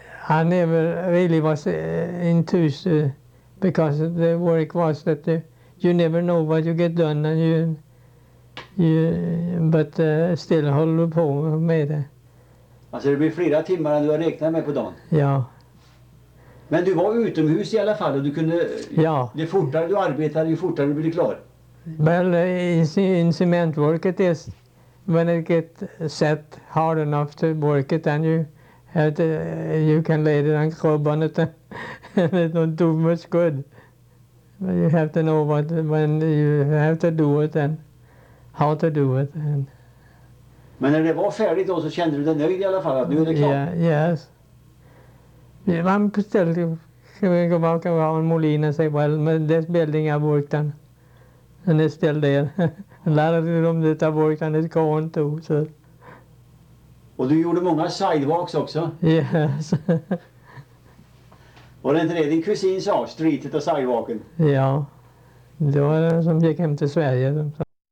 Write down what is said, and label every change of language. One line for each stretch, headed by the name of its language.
English: I never really was enthused because the work was that you never know what you get done and you still hold
Swedish: på med det. Alltså det blir flera timmar än du har räknat med på dagen? Ja. Men du var utomhus i alla fall och du kunde... Ja. Ju fortare du arbetade, ju fortare du blev klar.
English: Well, in cementworket is when it get set hard enough to work it, then you can lay it on club on it and it don't do much good. But you have to know what when you have to do it and how to do it. And
Swedish: men när det var färdigt då så kände du dig nöjd i alla fall, att nu är det klart?
English: Yes. Man still can go back around Moline and say, well, this building I've worked on, and it's still there. A lot of the room that I've worked on is gone too, so.
Swedish: Och du gjorde många sidewalks också?
English: Yes.
Swedish: Var det inte det din kusin sa, streetet och sidewalken? Ja, det var det som gick hem till Sverige. Så.